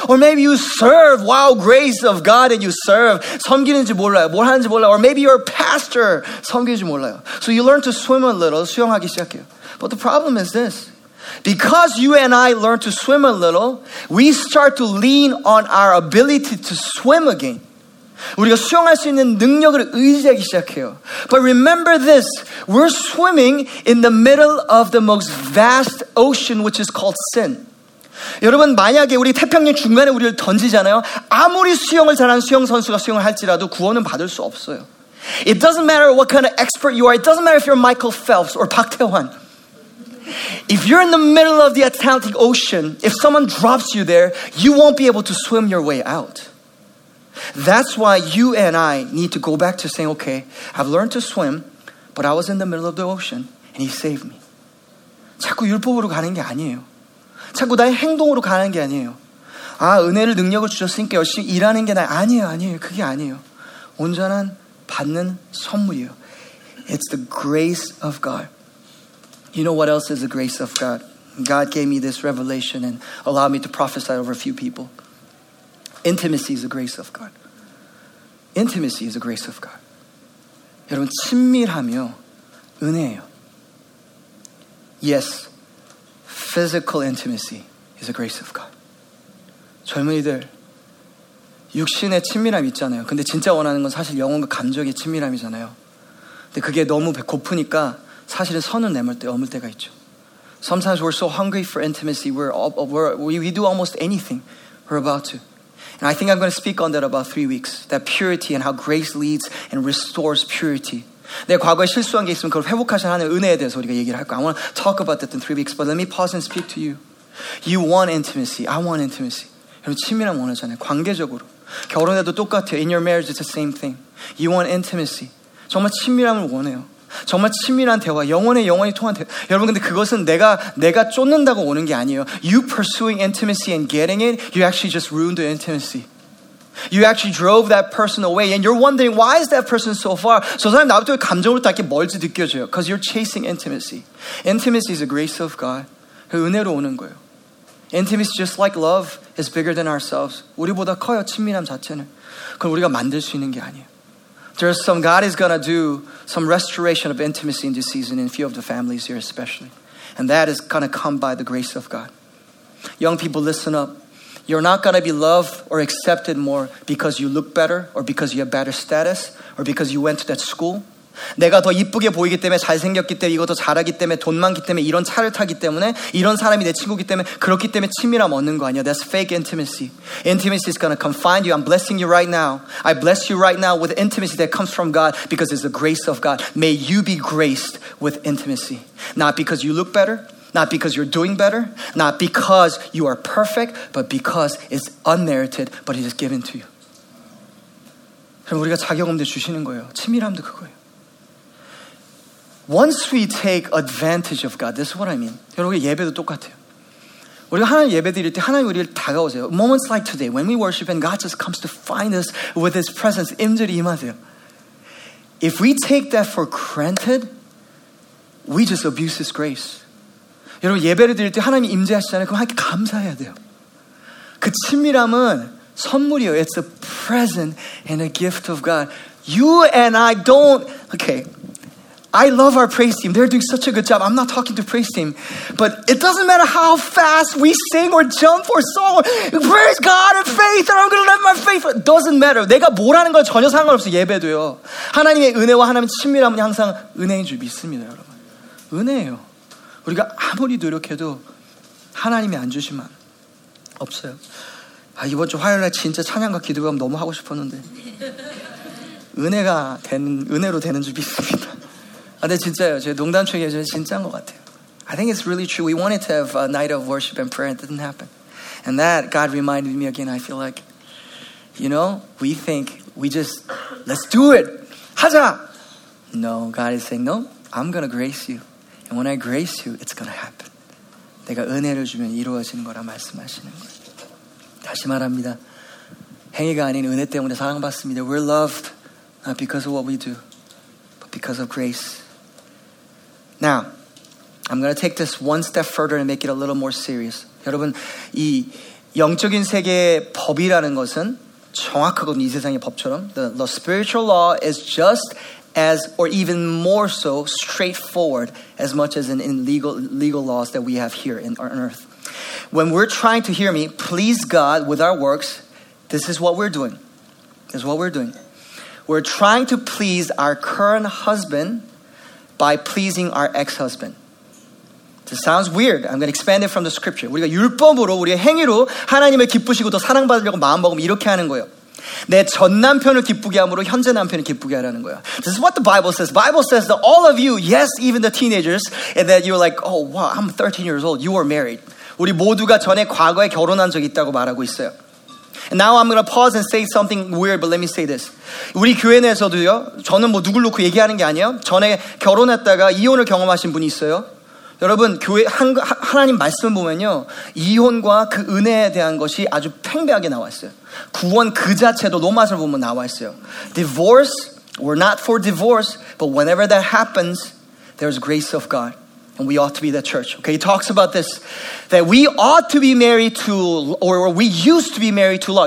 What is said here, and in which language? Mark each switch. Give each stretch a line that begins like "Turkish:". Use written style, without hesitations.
English: Or maybe you serve. Wow, grace of God and you serve.
Korean: 섬기는지 몰라요. 뭘 하는지 몰라요.
English: Or maybe you're a pastor.
Korean: 섬기는지 몰라요.
English: So you learn to swim a little.
Korean: 수영하기 시작해요.
English: But the problem is this. Because you and I learn to swim a little, we start to lean on our ability to swim again.
Korean: 우리가 수영할 수 있는 능력을 의지하기 시작해요.
English: But remember this, we're swimming in the middle of the most vast ocean, which is called sin.
Korean: 여러분, 만약에 우리 태평양 중간에 우리를 던지잖아요. 아무리 수영을 잘하는 수영 선수가 수영을 할지라도 구원은 받을 수 없어요.
English: It doesn't matter what kind of expert you are. It doesn't matter if you're Michael Phelps or 박태환. If you're in the middle of the Atlantic Ocean, if someone drops you there, you won't be able to swim your way out. That's why you and I need to go back to saying, okay, I've learned to swim, but I was in the middle of the ocean, and he saved me.
Korean: 자꾸 율법으로 가는 게 아니에요. 자꾸 나의 행동으로 가는 게 아니에요. 아, 은혜를 능력을 주셨으니까 열심히 일하는 게 나 아니에요, 아니에요. 그게 아니에요. 온전한 받는 선물이에요.
English: It's the grace of God. You know what else is the grace of God? God gave me this revelation and allowed me to prophesy over a few people. Intimacy is the grace of God. Intimacy is the grace of God.
Korean: 여러분, 친밀함이요. 은혜예요.
English: Yes, physical intimacy is the grace of God.
Korean: 젊은이들, 육신의 친밀함 있잖아요. 근데 진짜 원하는 건 사실 영혼과 감정의 친밀함이잖아요. 근데 그게 너무 고프니까 사실은 선을 내밀 때 어물 때가 있죠.
English: Sometimes we're so hungry for intimacy. We do almost anything. We're about to. And I think I'm going to speak on that about 3 weeks. That purity and how grace leads and restores purity.
Korean: 내 과거에 실수한 게 있으면 그걸 회복하시는 하나님의 은혜에 대해서 우리가 얘기를 할 거야.
English: I want to talk about that in 3 weeks. But let me pause and speak to you. You want intimacy. I want intimacy.
Korean: 여러분 친밀함 원하잖아요. 관계적으로. 결혼에도 똑같아요.
English: In your marriage, it's the same thing. You want intimacy.
Korean: 정말 친밀함을 원해요. 정말 친밀한 대화, 영원의 영원히 통한 대화. 여러분, 근데 그것은 내가 쫓는다고 오는 게 아니에요.
English: You pursuing intimacy and getting it, you actually just ruined the intimacy. You actually drove that person away and you're wondering, why is that person so far?
Korean: 저 사람 나부터 감정으로 딱 이렇게 멀지 느껴져요.
English: Because you're chasing intimacy. Intimacy is a grace of God.
Korean: 그 은혜로 오는 거예요.
English: Intimacy, just like love, is bigger than ourselves.
Korean: 우리보다 커요, 친밀함 자체는. 그걸 우리가 만들 수 있는 게 아니에요.
English: There's some, God is going to do some restoration of intimacy in this season in a few of the families here especially. And that is going to come by the grace of God. Young people, listen up. You're not going to be loved or accepted more because you look better or because you have better status or because you went to that school.
Korean: 내가 더 이쁘게 보이기 때문에 잘생겼기 때문에 이것도 잘하기 때문에 돈 많기 때문에 이런 차를 타기 때문에 이런 사람이 내 친구기 때문에 그렇기 때문에 친밀함 얻는 거 아니야.
English: That's fake intimacy. Intimacy is going to come find you. I'm blessing you right now. I bless you right now with intimacy that comes from God because it's the grace of God. May you be graced with intimacy. Not because you look better, not because you're doing better, not because you are perfect, but because it's unmerited, but it is given to you.
Korean: 그럼 우리가 자격음도 주시는 거예요. 친밀함도 그거예요.
English: Once we take advantage of God, this is what I mean.
Korean: 여러분 예배도 똑같아요. 우리가 하나님 예배드릴 때 하나님 우리를 다가오세요.
English: Moments like today, when we worship and God just comes to find us with His presence,
Korean: 임재를 임하세요.
English: If we take that for granted, we just abuse His grace.
Korean: 여러분 예배를 드릴 때 하나님 임재하시잖아요. 그럼 하나님께 감사해야 돼요. 그 친밀함은 선물이에요.
English: It's a present and a gift of God. You and I don't... Okay. I love our praise team. They're doing such a good job. I'm not talking to praise team. But it doesn't matter how fast we sing or jump or song. Praise God in faith and I'm going to let my faith. It doesn't matter.
Korean: 내가 뭘 하는 건 전혀 상관없어요. 예배도요. 하나님의 은혜와 하나님의 친밀함은 항상 은혜인 줄 믿습니다. 여러분. 은혜예요. 우리가 아무리 노력해도 하나님이 안 주시면 없어요. 아, 이번 주 화요일날 진짜 찬양과 기도감 너무 하고 싶었는데 은혜로 되는 줄 믿습니다. 아, 근데 진짜요. 제 농담 중에 제가 진짜인 것 같아요.
English: I think it's really true. We wanted to have a night of worship and prayer. It didn't happen. And that, God reminded me again. I feel like, you know, we think, we just, let's do it.
Korean: 하자!
English: No, God is saying, no, I'm going to grace you. And when I grace you, it's going to happen.
Korean: 내가 은혜를 주면 이루어지는 거라 말씀하시는 거예요. 다시 말합니다. 행위가 아닌 은혜 때문에 사랑받습니다.
English: We're loved not because of what we do, but because of grace. Now, I'm going to take this one step further and make it a little more serious.
Korean: 여러분, 이 영적인 세계의 법이라는 것은 정확하거든요, 이 세상의 법처럼.
English: The spiritual law is just as, or even more so, straightforward as much as in legal laws that we have here on earth. When we're trying to hear me, please God with our works, this is what we're doing. This is what we're doing. We're trying to please our current husband by pleasing our ex-husband. This sounds weird. I'm going to expand it from the scripture.
Korean: 우리가 율법으로, 우리의 행위로 하나님을 기쁘시고 또 사랑받으려고 마음먹으면 이렇게 하는 거예요. 내 전 남편을 기쁘게 함으로 현재 남편을 기쁘게 하라는 거야.
English: This is what the Bible says. Bible says that all of you, yes, even the teenagers, and that you're like, oh, wow, I'm 13 years old. You are married.
Korean: 우리 모두가 전에 과거에 결혼한 적이 있다고 말하고 있어요.
English: And now I'm going to pause and say something weird, but let me say this.
Korean: 우리 교회 내에서도요, 저는 뭐 누굴 놓고 얘기하는 게 아니에요. 전에 결혼했다가 이혼을 경험하신 분이 있어요. 여러분, 교회 하나님 말씀을 보면요, 이혼과 그 은혜에 대한 것이 아주 팽배하게 나와 있어요. 구원 그 자체도 로마서를 보면 나와 있어요.
English: Divorce, we're not for divorce, but whenever that happens, there's grace of God. And we ought to be the church. Okay, he talks about this, that we ought to be married to, or we used to be married to law.